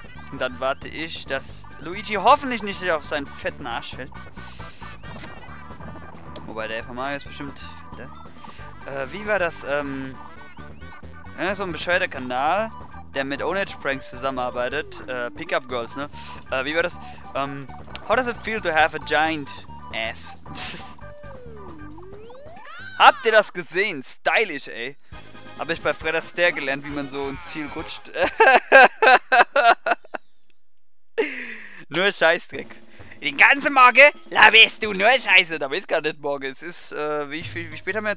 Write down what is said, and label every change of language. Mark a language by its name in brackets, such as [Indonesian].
[German] Und dann warte ich, dass Luigi hoffentlich nicht auf seinen fetten Arsch fällt. Wobei der von Mario ist bestimmt fette. Wie war das? Ja, so ein bescheuerter Kanal, der mit Onedge Pranks zusammenarbeitet. Pickup Girls, ne? Wie war das? [English] How does it feel to have a giant ass? [German] Habt ihr das gesehen? Stylish, ey. Habe ich bei Fred Astaire gelernt, wie man so ins Ziel rutscht. Nur Scheißdreck. Den ganzen Morgen laberst du nur Scheiße. Da bist du gar nicht morgen. Es ist, wie spät haben wir?